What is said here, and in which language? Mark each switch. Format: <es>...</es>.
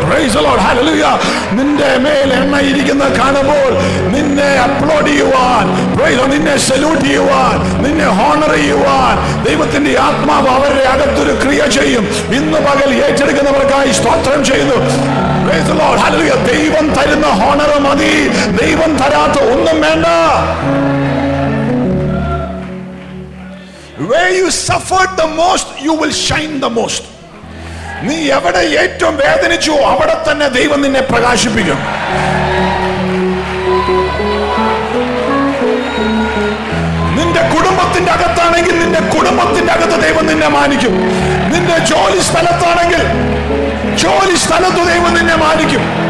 <ml>Praise the Lord, ഹല്ലേലൂയാ. നിന്റെ മേൽ എണ്ണ ഇരിക്കുന്ന കാണുമ്പോൾ നിന്നെ അപ്ലോഡ് ചെയ്യുവാൻ, നിന്നെ സല്യൂട്ട് ചെയ്യുവാൻ, നിന്നെ ഹോണർ ചെയ്യുവാൻ ദൈവത്തിന്റെ ആത്മാവ് അവരുടെ അകത്തൊരു ക്രിയ ചെയ്യും. ഇന്ന് പകൽ ഏറ്റെടുക്കുന്നവർക്കായി സ്തോത്രം ചെയ്യുന്നു. പ്രൈസ് ദി ലോർഡ്, ഹല്ലേലൂയാ. ദൈവം തരുന്ന ഹോണർ മതി, ദൈവം തരാത്ത ഒന്നും വേണ്ട.</ml> <en>Where you suffered the most, you will shine the most.</en> <ml>നീ എവിടെ ഏറ്റവും വേദനിച്ചു, അവിടെ തന്നെ ദൈവം നിന്നെ പ്രകാശിപ്പിക്കും. നിന്റെ കുടുംബത്തിന്റെ അകത്താണെങ്കിൽ നിന്റെ കുടുംബത്തിന്റെ അകത്ത് ദൈവം നിന്നെ മാനിക്കും. നിന്റെ ജോലി സ്ഥലത്താണെങ്കിൽ ജോലി സ്ഥലത്ത് ദൈവം നിന്നെ മാനിക്കും.</ml>